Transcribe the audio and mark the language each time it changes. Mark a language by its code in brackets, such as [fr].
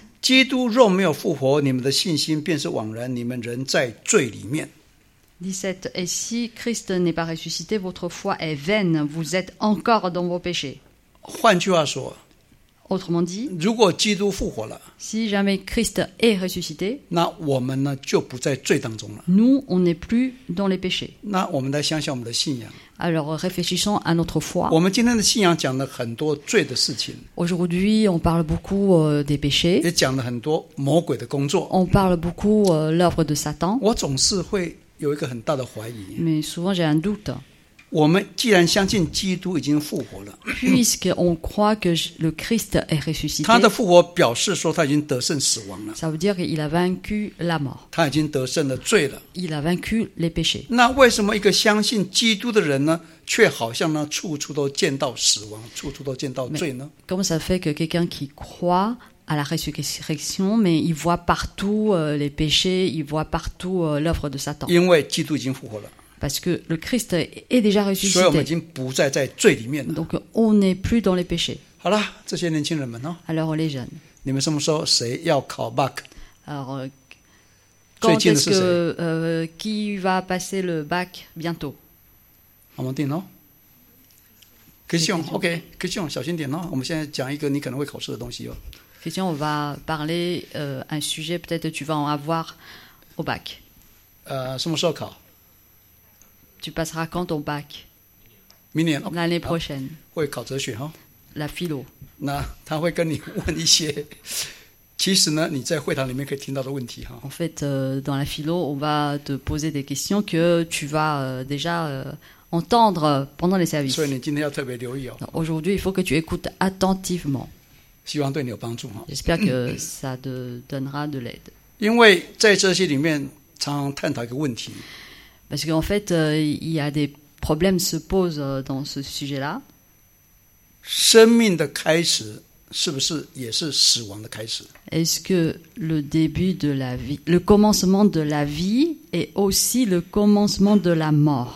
[zh] 基督若没有复活，你们的信心便是枉然，你们人在罪里面。 17. [fr] Et si Christ n'est pas ressuscité, votre foi est vaine, vous êtes encore dans vos péchés. [zh] 换句话说。 [fr] Autrement dit, [zh] 如果基督复活了, [fr] si jamais Christ est ressuscité, [zh] 那我们呢就不在罪当中了。 [fr] Nous, on n'est plus dans les péchés. [zh] 那我们来想想我们的信仰。 [fr] Alors, réfléchissons à notre foi. [zh] 我们今天的信仰讲了很多罪的事情。 [fr] Aujourd'hui, on parle beaucoup des péchés. [zh] 也讲了很多魔鬼的工作。 [fr] On parle beaucoup l'œuvre de Satan. [zh] 我总是会有一个很大的怀疑。 [fr] Mais souvent, j'ai un doute. [zh] 我们既然相信基督已经复活了 [fr] Puisque on croit que le Christ est ressuscité, [zh] 他的复活表示说他已经得胜死亡了 [fr] Ça veut dire qu'il a vaincu la mort. [zh] 他已经得胜了罪了 [fr] Il a vaincu les péchés. [zh] 那为什么一个相信基督的人呢却好像呢处处都见到死亡处处都见到罪呢 [fr] Mais, Comment ça fait que quelqu'un qui croit à la résurrection, mais il voit partout les péchés, il voit partout l'œuvre de Satan? [zh] 因为基督已经复活了 [fr] Parce que le Christ est déjà ressuscité. [zh] 所以我们已经不再在罪里面了。 [fr] Donc on n'est plus dans les péchés. [zh] 好了，这些年轻人们哦。 [fr] Alors les jeunes. [zh] 你们什么时候谁要考 bac? [fr] Alors, [zh] 最近的是谁？ [fr] Qui va passer le bac bientôt? Amandine, non? [zh] Christian, OK, Christian, 小心点哦。我们现在讲一个你可能会考试的东西哦。 [fr] Christian, on va parler un sujet peut-être tu vas en avoir au bac. [zh] 什么时候考？ [fr] Tu passeras quand ton bac? [zh] 明年 okay, [fr] l'année prochaine. [zh] 会考哲学、哦、 [fr] La philo. [zh] 那他会跟你问一些，其实呢，你在会堂里面可以听到的问题、哦、 [fr] En fait, dans la philo, on va te poser des questions que tu vas déjà entendre pendant les services. [zh] 所以你今天要特别留意哦。 [fr] Aujourd'hui, il faut que tu écoutes attentivement. [zh] 希望对你有帮助、哦、 [fr] J'espère que ça te donnera de l'aide. [zh] 因为在这些里面常探讨一个问题。 [fr] Parce qu'en fait, il y a des problèmes qui se posent dans ce sujet-là. [zh] 生命的开始是不是也是死亡的开始？ [fr] Est-ce que le début de la vie, le commencement de la vie est aussi le commencement de la mort?